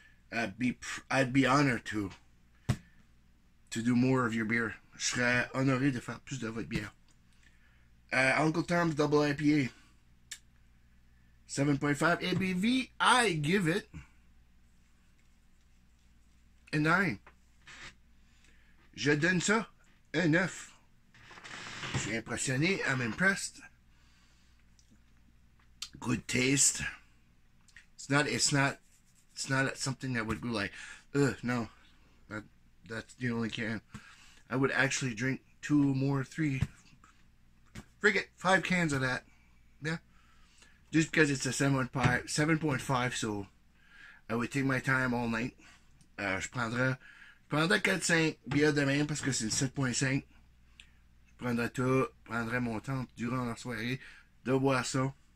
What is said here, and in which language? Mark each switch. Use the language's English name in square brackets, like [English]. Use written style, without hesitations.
[English] I'd be honored to do more of your beer. [French] Je serais honoré de faire plus de votre bière. [English] Uncle Tom's Double IPA. 7.5 ABV, I give it a 9. [French] Je donne ça un 9. Je suis impressionné, [English] I'm impressed. Good taste. It's not something that would go like, ugh, no. That's the only can. I would actually drink 2 more, 3. Frigate, 5 cans of that. Yeah. Just because it's a 7.5, so I would take my time all night. [French] Je prendrais 4-5 bières de même parce que c'est 7.5. Je prendrais tout, prendrais mon temps durant la soirée de boire ça.